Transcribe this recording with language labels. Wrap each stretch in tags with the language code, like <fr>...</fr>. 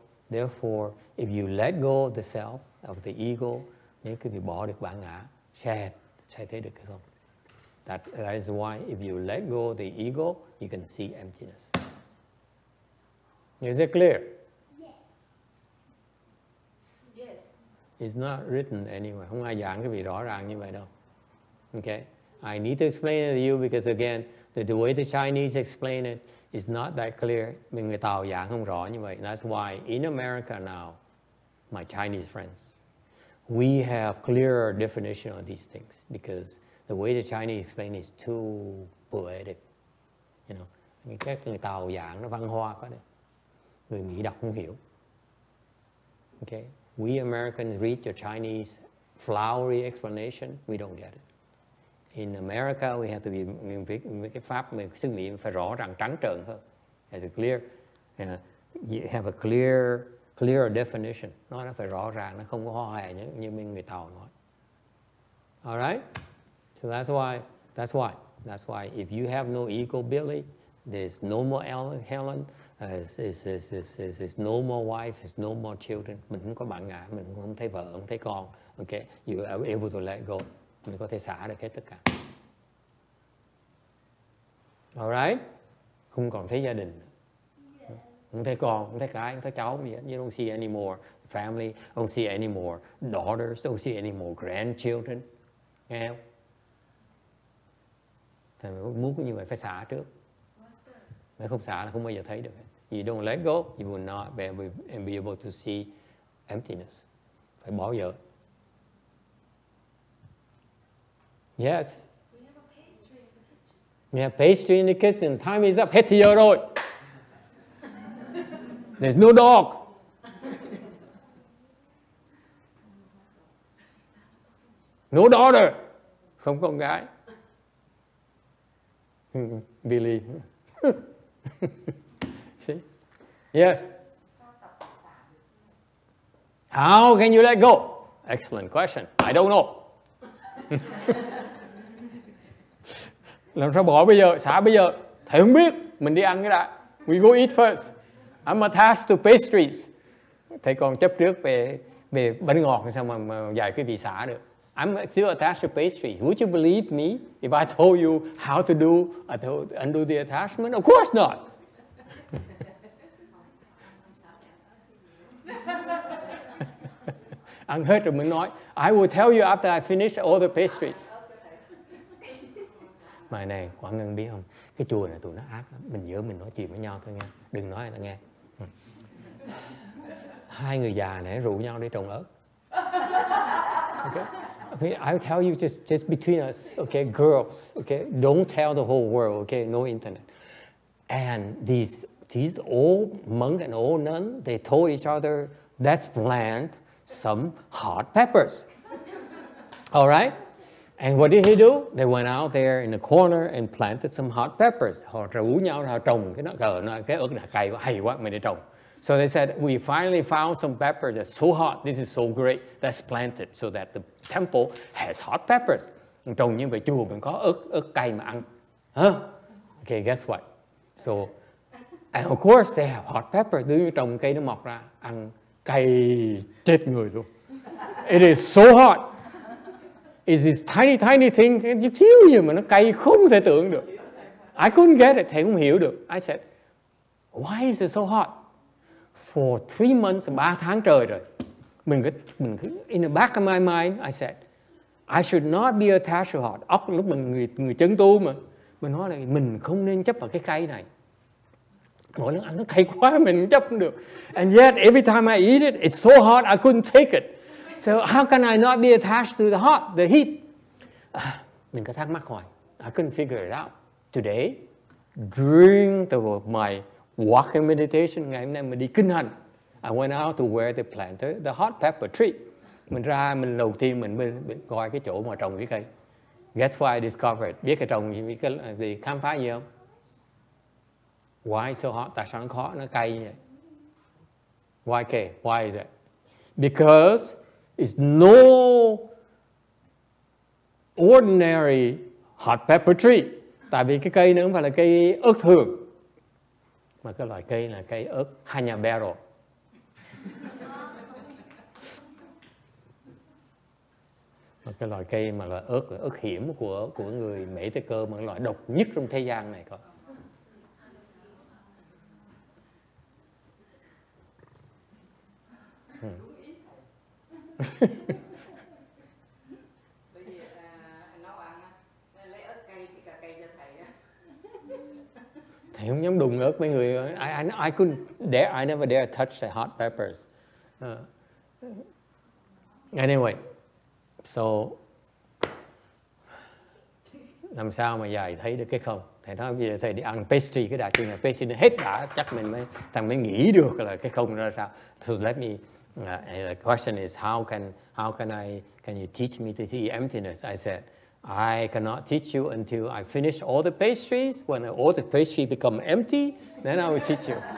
<en>Therefore, if you let go the self of the ego,</en> <vi>nếu cứ bị bỏ được bản ngã, sẽ thấy được cái không.</vi> <en>That is why if you let go the ego, you can see emptiness. Is it clear? Yes. Yeah. It's not written anywhere.</en> <vi>Không ai giảng cái gì rõ ràng như vậy đâu.</vi> <en>Okay, I need to explain it to you because again, the way the Chinese explain it is not that clear.</en> <vi>Người Tàu giảng không rõ như vậy.</vi> <en>That's why in America now, my Chinese friends, we have clearer definition of these things because the way the Chinese explain it is too poetic. You know,</en> <vi>các người Tàu giảng nó văn hoa quá đấy. Người Mỹ đọc không hiểu.</vi> <en>Okay, we Americans read the Chinese flowery explanation, we don't get it. In America, we have to be</en> <vi>cái pháp mình xưng miệng phải rõ ràng trắng trợn hơn.</vi> <en>It's a clear, you have a clear definition.</en> <vi>Nó phải rõ ràng, nó không có hoa hè như mình người Tàu nói.</vi> <en>All right? So that's why. If you have no ego, Billy, there's no more Ellen, Helen. There's no more wife. There's no more children.</en> <vi>Mình không có bạn ngã, mình không thấy vợ, không thấy con.</vi> <en>Okay, you are able to let go.</en> <vi>Mình có thể xả được hết tất cả.</vi> <en>All right?</en> <vi>không còn thấy gia đình, không thấy con, không thấy cái, không thấy cháu gì hết.</vi> <en>You don't see any more family, don't see any more daughters, don't see any more grandchildren.</en> <vi>Nghe không? Thầy muốn như vậy phải xả trước. Nếu không xả là không bao giờ thấy được.</vi> <en>You don't let go, you will not be able to see emptiness.</en> <vi>Phải bỏ dở.</vi> <en>Yes. We have pastry in the kitchen. Time is up.</en> <vi>Hết giờ rồi.</vi> <en>There's no dog. No daughter.</en> <vi>Không con gái.</vi> <en>Billy. See? Yes. How can you let go? Excellent question. I don't know.</en> <vi>Làm sao bỏ bây giờ, xả bây giờ? Thầy không biết, mình đi ăn cái đã.</vi> <en>We go eat first. I'm attached to pastries.</en> <vi>Thầy còn chấp trước về về bánh ngọt sao mà dạy cái vị xả được.</vi> <en>I'm still attached to pastries. Would you believe me if I told you how to do undo the attachment? Of course not.</en> <vi>Ăn hết rồi mình nói.</vi> <en>I will tell you after I finish all the pastries.</en> <vi>Mà này, Quảng Ngân biết không? Cái chùa này tụi nó ác lắm. Mình nhớ mình nói chuyện với nhau thôi nha. Đừng nói người ta nghe. Hai người già này rủ nhau đi trồng ớt.</vi> <en>Okay? I'll tell you just between us, okay, girls, okay, don't tell the whole world, okay, no internet. And these old monk and old nun, they told each other, let's plant some hot peppers. All right? And what did he do? They went out there in the corner and planted some hot peppers.</en> <vi>Họ rủ nhau, họ trồng cái nó cờ, nó cái ớt đã cay quá, hay quá, mình đi trồng.</vi> <en>So they said, we finally found some pepper that's so hot, this is so great, let's plant it so that the temple has hot peppers.</en> <vi>Trồng như vậy chùa mình có ớt, ớt cay mà ăn.</vi> <en>Huh? Okay, guess what? So, and of course they have hot peppers.</en> <vi>Đứa trồng cây nó mọc ra, ăn cay chết người luôn.</vi> <en>It is so hot. It's this tiny, tiny thing, and you kill you,</en> <vi>mà nó cay không thể tưởng được.</vi> <en>I couldn't get it,</en> <vi>thầy không hiểu được.</vi> <en>I said, why is it so hot? For 3 months,</en> <vi>3 tháng trời rồi. Mình cứ,</vi> <en>in the back of my mind, I said, I should not be attached to hot.</en> <vi>Ốc lúc mình người chân tu mà, mình nói là mình không nên chấp vào cái cay này. Mỗi lần ăn nó cay quá, mình không chấp được.</vi> <en>And yet, every time I eat it, it's so hot, I couldn't take it. So how can I not be attached to the hot, the heat?</en> <vi>Mình có thắc mắc hỏi.</vi> <en>I couldn't figure it out. Today, during my walking meditation,</en> <vi>ngày hôm nay mình đi kinh hành.</vi> <en>I went out to where they planted the hot pepper tree.</en> <vi>Mình ra, mình đầu tiên mình coi cái chỗ mà trồng cái cây.</vi> <en>Guess what I discovered?</en> <vi>Biết cái trồng gì, cái khám phá gì không?</vi> <en>Why it's so hot?</en> <vi>Tại sao nó khó, nó cay như vậy?</vi> <en>Why cay? Why is it? Because it's no ordinary hot pepper tree.</en> <vi>Tại vì cái cây nó không phải là cây ớt thường. Mà cái loại cây là cây ớt habanero. Mà cái loại cây mà là ớt hiểm của người Mỹ Tây Cơ, mà loại độc nhất trong thế gian này coi. Bởi vì nấu ăn nên lấy ớt cay thì cả cây cho thầy á. Thầy không dám đụng ớt mấy người.</vi> <en>I couldn't dare, I never dare touch the hot peppers. Anyway,</en> <vi>so làm sao mà dạy thấy được cái không? Thầy nói bây giờ thầy đi ăn pastry cái đại chuyện là pastry nó hết cả chắc mình mới thằng mới nghĩ được là cái không ra sao.</vi> <en>So let me. And the question is, can you teach me to see emptiness? I said, I cannot teach you until I finish all the pastries. When all the pastries become empty, then I will teach you.</en>